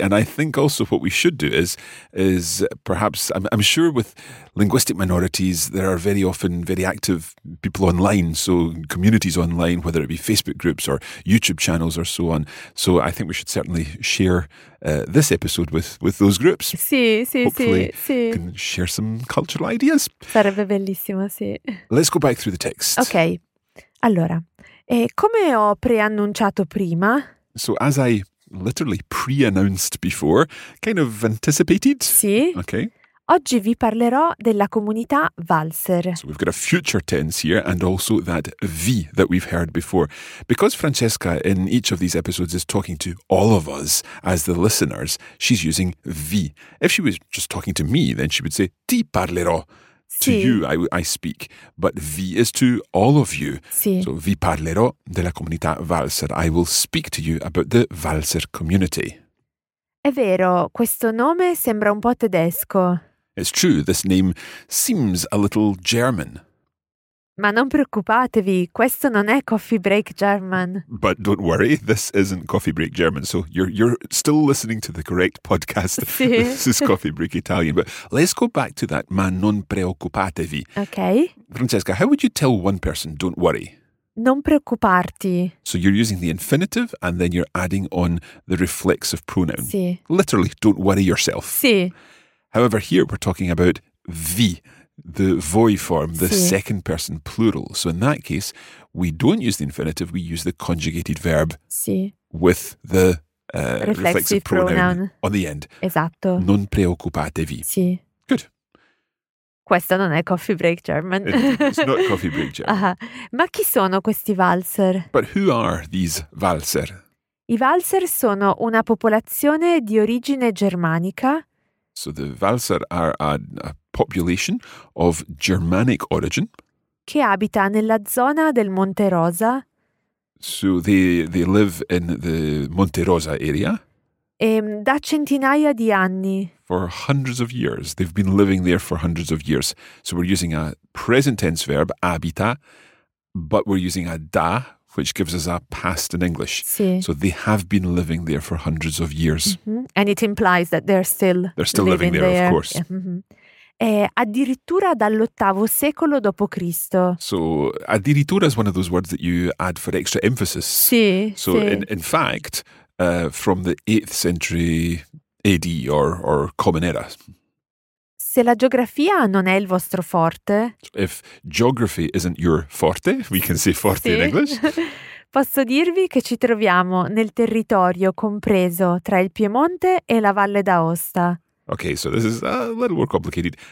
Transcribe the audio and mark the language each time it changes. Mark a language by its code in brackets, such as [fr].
[en] And I think also what we should do is perhaps, I'm sure with linguistic minorities, there are very often very active people online, so communities online, whether it be Facebook groups or YouTube channels or so on. So I think we should certainly share this episode with those groups. [it] Sì, sì, [en] hopefully can share some cultural ideas. [it] Sarebbe bellissimo, sì. [en] Let's go back through the text. [it] Ok, allora, come ho preannunciato prima... [en] So as I literally pre-announced before, kind of anticipated. [it] Sì. [en] Ok. [it] Oggi vi parlerò della comunità valzer. [en] So we've got a future tense here and also that V that we've heard before. Because Francesca in each of these episodes is talking to all of us as the listeners, she's using V. If she was just talking to me, then she would say [it] ti parlerò. Sì. [en] To you, I speak. But V is to all of you. [it] Sì. So vi parlerò della comunità valzer. [en] I will speak to you about the valzer community. [it] È vero, questo nome sembra un po' tedesco. [en] It's true, this name seems a little German. [it] Ma non preoccupatevi, questo non è Coffee Break German. [en] But don't worry, this isn't Coffee Break German, so you're still listening to the correct podcast. [it] Sì. [en] This is Coffee Break Italian, but let's go back to that, [it] ma non preoccupatevi. [en] Okay. Francesca, how would you tell one person, don't worry? [it] Non preoccuparti. [en] So you're using the infinitive and then you're adding on the reflexive pronoun. [it] Sì. [en] Literally, don't worry yourself. [it] Sì. [en] However, here we're talking about vi, the voi form, the sì. Second person plural. So in that case, we don't use the infinitive, we use the conjugated verb [it] sì. [en] With the reflexive pronoun on the end. [it] Esatto. Non preoccupatevi. Sì. [en] Good. [it] Questo non è Coffee Break German. [en] It's not Coffee Break German. Uh-huh. [it] Ma chi sono questi valzer? [en] But who are these valzer? [it] I valzer sono una popolazione di origine germanica. [en] So the valzer are a population of Germanic origin. [it] Che abita nella zona del Monte Rosa. [en] So they live in the Monte Rosa area. [it] E da centinaia di anni. [en] For hundreds of years. They've been living there for hundreds of years. So we're using a present tense verb, abita, but we're using a da, which gives us a past in English. [it] Sì. [en] So they have been living there for hundreds of years. Mm-hmm. And it implies that they're still living there. Of course. Yeah. Mm-hmm. [it] Addirittura dall'ottavo secolo dopo Cristo. [en] So addirittura is one of those words that you add for extra emphasis. [it] Sì, [en] so [it] sì. [en] In fact, from the 8th century AD or Common Era. [it] Se la geografia non è il vostro forte. [en] If geography isn't your forte, we can say forte [it] sì. [en] In English. [it] Posso dirvi che ci troviamo nel territorio compreso tra il Piemonte e la Valle d'Aosta. [en] Okay, so this is a little more complicated.